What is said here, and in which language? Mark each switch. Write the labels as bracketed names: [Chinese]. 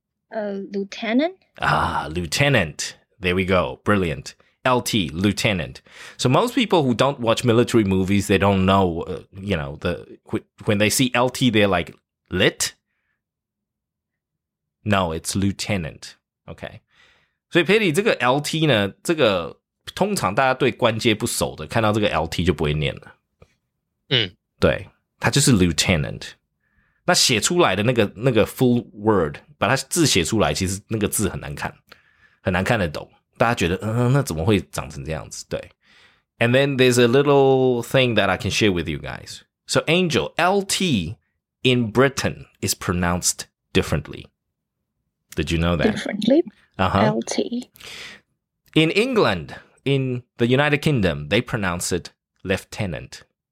[English] Lieutenant. Ah, lieutenant. There we go. Brilliant. LT, lieutenant. So most people who don't watch military movies, they don't know, when they see LT, they're like, lit? No, it's lieutenant. Okay. [Chinese] 所以 Patty, 这个 LT 呢, 这个通常大家对关阶不熟的, 看到这个 LT 就不会念了。对, 它就是 lieutenant。那写出来的那个 [English] full word, [Chinese] 把它字写出来, 其实那个字很难看, 很难看得懂, 大家觉得那怎么会长成这样子，对。 [English] And then there's a little thing that I can share with you guys. So Angel, LT in Britain is pronounced differently. Did you know that? Differently? Uh-huh. LT. In England, in the United Kingdom, they pronounce it lieutenant.